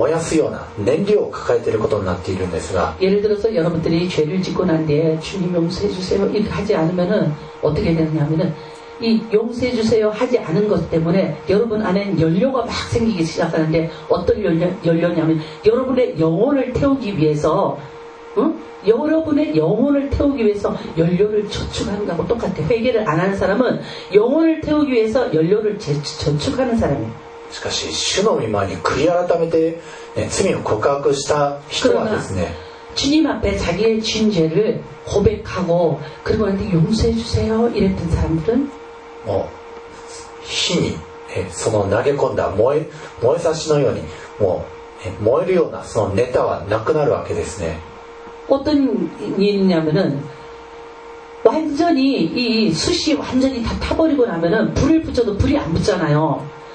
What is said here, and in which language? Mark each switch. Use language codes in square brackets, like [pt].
[ja] 皆さんがですね、罪をそのまま罪として持ったまま悔い改めをせず告白もしないのであれば、それはですね、燃える自分の身を燃やすような燃料を抱えていることになっているんですが。 [ko] 예를 들어서 여러분들이 죄를 짓고 난 뒤에 주님 용서해 주세요 이렇게 하지 않으면은 어떻게 되느냐면은 이 용서해 주세요 하지 않은 것 때문에 여러분 안에 연료가 막 생기기 시작하는데 어떤 연료냐면 여러분의 영혼을 태우기 위해서 응? 여러분의 영혼을 태우기 위해서 연료를 저축하는 것과 똑같아. 회개를 안 하는 사람은 영혼을 태우기 위해서 연료를 저축하는 사람이에요. 하지만 주님만이 [ja] 悔い改めて罪を告白した人はですね [ko] 주님 앞에 자기의 진죄를 고백하고 그리고 나한테 용서해 주세요 이랬던 사람들은 [ja] 뭐 火に投げ込んだ燃え差しのように燃えるようなそのネタはなくなるわけですね。 [ko] 어떤 일이냐면은 완전히 이 숯이 완전히 다 타버리고 나면은 불을 붙여도 불이 안 붙잖아요.